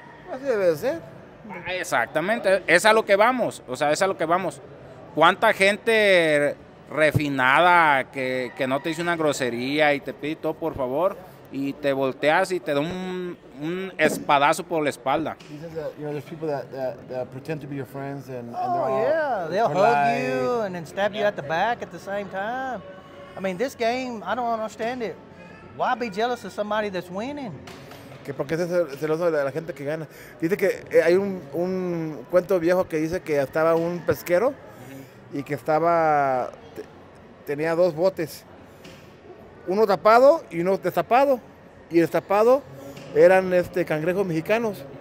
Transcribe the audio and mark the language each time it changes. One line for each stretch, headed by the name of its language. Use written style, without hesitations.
Spanish: Así debe ser. Exactamente, es a lo que vamos. O sea, es a lo que vamos. ¿Cuánta gente... refinada, que no te dice una grosería y te pide todo por favor y te volteas y te da un espadazo por la espalda?
English: They'll hug you and then stab you at the back at the same time. I mean, this game, I don't understand it. Why be jealous of somebody that's winning?
Spanish: Que porque es celoso de la gente que gana. Dice que hay un cuento viejo que dice que estaba un pesquero y que estaba tenía dos botes. Uno tapado y uno destapado. Y el destapado eran cangrejos mexicanos.